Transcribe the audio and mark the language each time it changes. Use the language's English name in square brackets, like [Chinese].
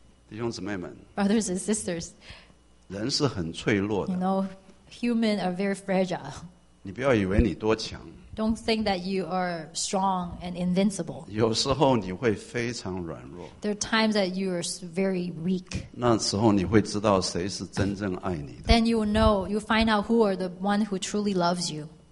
[Chinese] 弟兄姊妹们。 [English] Brothers and sisters. [Chinese] 人是很脆弱的。 [English] You know, humans are very fragile. [Chinese] 你不要以为你多强。 [English] Don't think that you are strong and invincible. [Chinese] 有时候你会非常软弱。 [English] There are times that you are very weak. [Chinese] 那时候你会知道谁是真正爱你的。 [English] Then you will know, you find out who are the one who truly loves you.